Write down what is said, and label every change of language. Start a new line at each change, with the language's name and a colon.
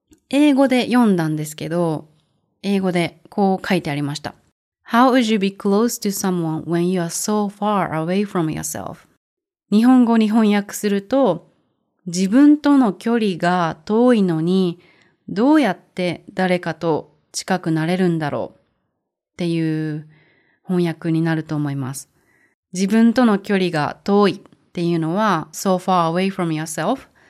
Japanese: 英語で読んだんですけど、英語でこう書いてありました。
English: How would you be close to someone when you are so far away from yourself?
Japanese: 日本語に翻訳すると、自分との距離が遠いのに、どうやって誰かと近くなれるんだろうっていう翻訳になると思います。自分との距離が遠いっていうのは
English: So far away from yourself。